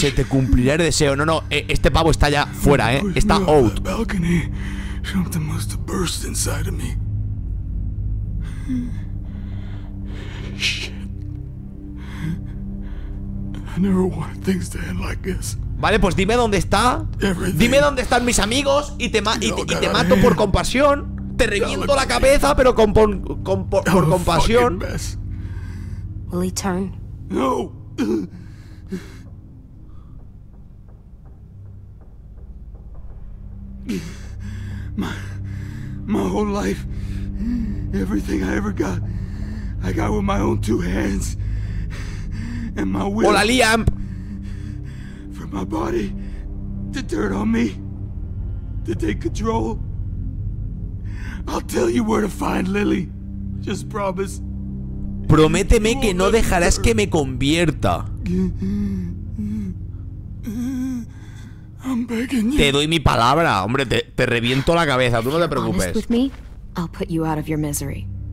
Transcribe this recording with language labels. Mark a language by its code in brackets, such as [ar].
[es] Se te cumplirá el deseo. No, no, este pavo está ya fuera, está out. [en] Something must have burst inside of me. Shit. I never wanted things to end like this. [es] Vale, pues dime dónde está. [en] Everything. [es] Dime dónde están mis amigos y te mato por compasión. Te reviento la cabeza, pero por compasión. [en] Will he turn? No. My whole life, everything I ever got, I got with my own two hands and my will. [es] Hola, Liam. [en] For my body to turn on me, to take control. I'll tell you where to find Lily. Just promise. [es] Prométeme que no dejarás que me convierta. [en] I'm begging you. [es] Te doy mi palabra, hombre, te reviento la cabeza, tú no te preocupes. [en] Honest with me, I'll put you out of your misery.